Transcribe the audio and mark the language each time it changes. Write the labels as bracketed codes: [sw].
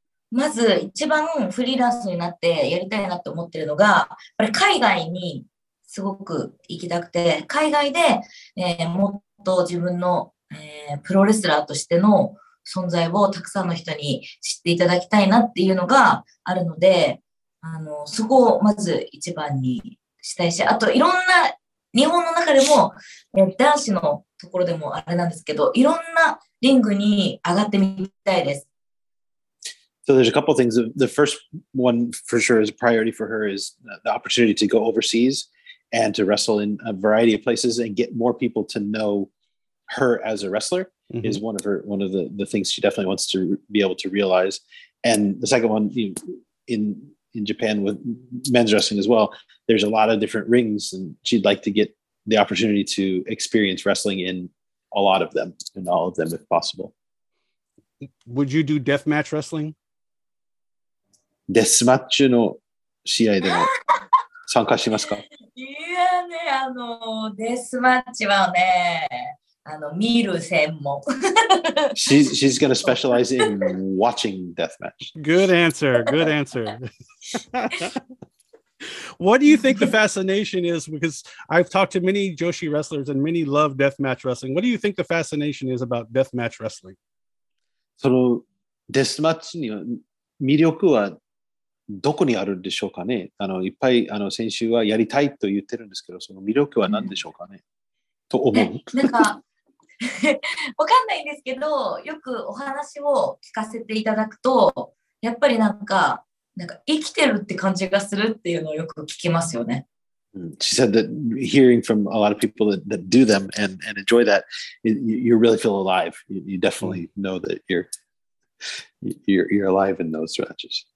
[ja] まず一番フリーランスになってやりたいなと思ってるのが、やっぱり海外にすごく行きたくて、海外で、もっと自分の、プロレスラーとしての存在をたくさんの人に知っていただきたいなっていうのがあるので、そこをまず一番にしたいし、あといろんな日本の中でも、男子のところでもあれなんですけど、いろんなリングに上がってみたいです。 [en] So there's a couple of things. The first one for sure is a priority for her is the opportunity to go overseas and to wrestle in a variety of places and get more people to know her as a wrestler mm-hmm. is one of the things she definitely wants to be able to realize. And the second one, in Japan with men's wrestling as well, there's a lot of different rings and she'd like to get the opportunity to experience wrestling in a lot of them, in all of them if possible. Would you do deathmatch wrestling? [ja] デスマッチの試合でも参加しますか？いやね、デスマッチはね、見る専門。 [en] She's gonna specialize in watching deathmatch. Good answer, good answer. What do you think the fascination is? Because I've talked to many Joshi wrestlers and many love deathmatch wrestling. What do you think the fascination is about deathmatch wrestling? [ja] そのデスマッチには魅力はどこにあるでしょうかね。いっぱい先週はやりたいと言ってるんですけど、その魅力は何でしょうかね、と思う。なんかわかんないんですけど、よくお話を聞かせていただくと、やっぱりなんか生きてるって感じがするっていうのをよく聞きますよね。 [en] She said that hearing from a lot of people that do them and enjoy that, you really feel alive. You definitely know that you're alive in those matches.